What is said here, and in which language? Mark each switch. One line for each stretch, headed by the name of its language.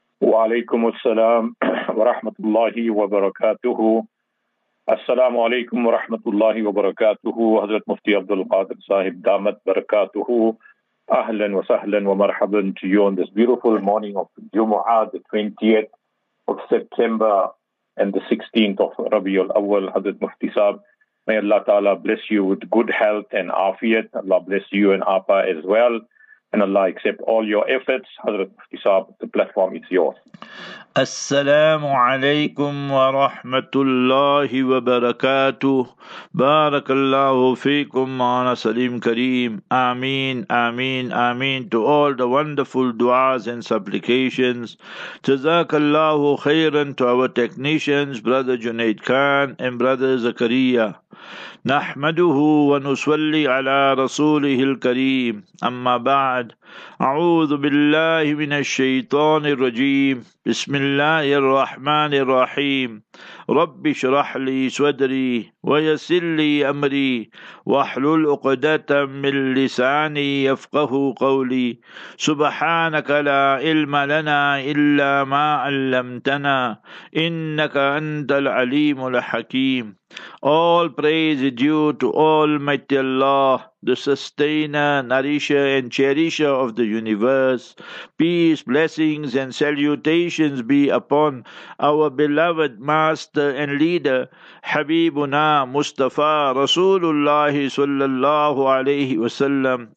Arabic: وعليكم السلام ورحمة الله وبركاته. السلام عليكم ورحمة الله وبركاته. حضرت مفتي عبد القادر صاحب دامت بركاته. أهلا وسهلا ومرحبا
English: to you on this beautiful morning of Jumu'ah, the 20th of September and the 16th of Rabiul Awal. Hazrat Mufti Sahib, may Allah Ta'ala bless you with good health and afiyat. Allah bless you and APA as well. And Allah accept all your efforts. Hazrat Mufti Sahib, the platform is yours.
Arabic: السلام عليكم ورحمة الله وبركاته بارك الله فيكم معنا سليم كريم آمين آمين آمين
English: to all the wonderful duas and supplications.
Arabic: جزاك الله خيرا
English: to our technicians brother Junaid Khan and brother Zakariya.
Arabic: نحمده ونصلي على رسوله الكريم أما بعد أعوذ بالله من الشيطان الرجيم بسم الله الرحمن الرحيم رب اشرح لي صدري ويسر لي أمري واحلل عقدة من لساني يفقه قولي سبحانك لا علم لنا إلا ما علمتنا إنك أنت العليم الحكيم.
English: All praise is due to Almighty Allah, the sustainer, nourisher and cherisher of the universe. Peace, blessings and salutations be upon our beloved master and leader, Habibuna Mustafa Rasulullah sallallahu alayhi wasallam.